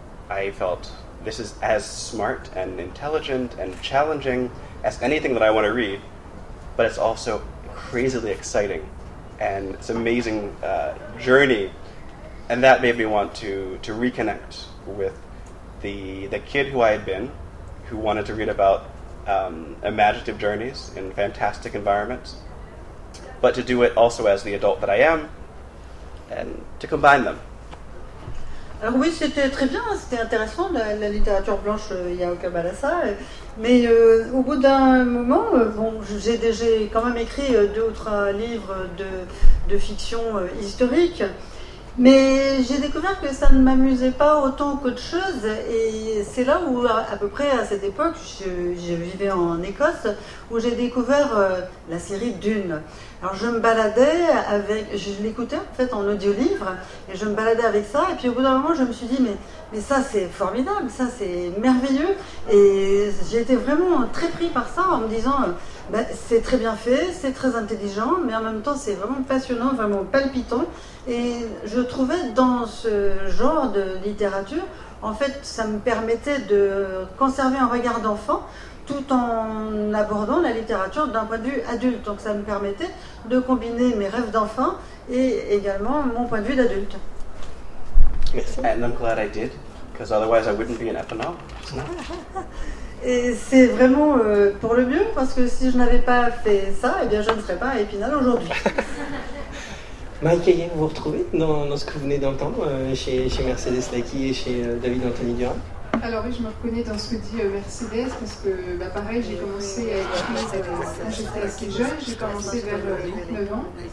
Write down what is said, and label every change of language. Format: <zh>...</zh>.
<en>I felt this is as smart and intelligent and challenging as anything that I want to read, but it's also crazily exciting, and it's an amazing journey, and that made me want to reconnect with the kid who I had been, who wanted to read about imaginative journeys in fantastic environments, but to do it also as the adult that I am, and to combine them.</en> <fr>Alors oui, c'était très bien, c'était intéressant, la littérature blanche, il n'y a aucun mal à ça. Mais au bout d'un moment, j'ai quand même écrit 2 ou 3 livres de fiction historique, mais j'ai découvert que ça ne m'amusait pas autant qu'autre chose, et c'est là où, à peu près à cette époque, je vivais en Écosse, où j'ai découvert la série Dune. Alors je me baladais avec, je l'écoutais en fait en audiolivre, et je me baladais avec ça, et puis au bout d'un moment je me suis dit mais ça c'est formidable, ça c'est merveilleux, et j'ai été vraiment très pris par ça en me disant c'est très bien fait, c'est très intelligent, mais en même temps c'est vraiment passionnant, vraiment palpitant, et je trouvais dans ce genre de littérature, en fait ça me permettait de conserver un regard d'enfant, tout en abordant la littérature d'un point de vue adulte. Donc ça me permettait de combiner mes rêves d'enfant et également mon point de vue d'adulte. Merci.</fr> <en>And I'm glad I did, because otherwise I wouldn't be an ethnologue.</en> <fr>Et c'est vraiment pour le mieux, parce que si je n'avais pas fait ça, eh bien je ne serais pas à Épinal aujourd'hui. Mike Ayen, vous vous retrouvez dans ce que vous venez d'entendre chez Mercedes Lackey et chez David Anthony Durham? Alors oui, je me reconnais dans ce que dit Mercedes, parce que pareil, j'ai commencé à écrire quand j'étais assez jeune, j'ai commencé vers 9 ans.</fr>